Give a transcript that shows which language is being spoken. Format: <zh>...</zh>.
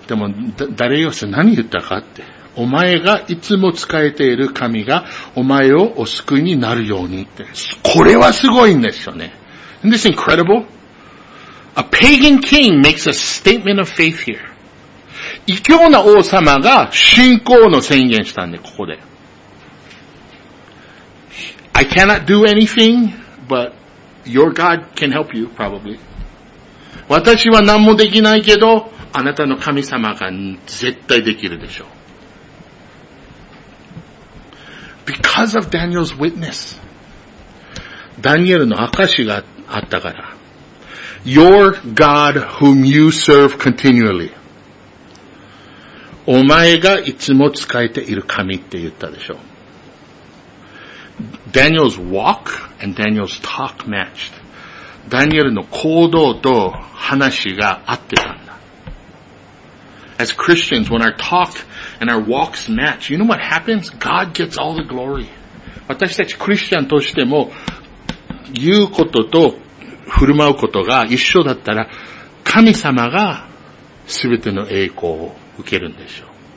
<ja>でも、ダリアス何言ったかって。お前がいつも仕えている神がお前をお救いになるようにって。これはすごいんですよね。</ja> <en>Isn't this incredible? A pagan king makes a statement of faith here.</en> <ja>異教な王様が信仰の宣言したんで、ここで。</ja> <en>I cannot do anything, but your God can help you, probably.</en> <ja>私は何もできないけど、あなたの神様が絶対できるでしょう。</ja> <en>Because of Daniel's witness.</en> <ja>ダニエルの証があったから。</ja> <en>Your God whom you serve continually.</en> <ja>お前がいつも仕えている神って言ったでしょ。</ja> <en>Daniel's walk and Daniel's talk matched.</en> <ja>ダニエルの行動と話が合ってたんだ。</ja> <en>As Christians, when our talk and our walks match, you know what happens? God gets all the glory.</en> <ja>私たちクリスチャンとしても、言うことと振る舞うことが一緒だったら、神様が全ての栄光を受けるんでしょう。</ja>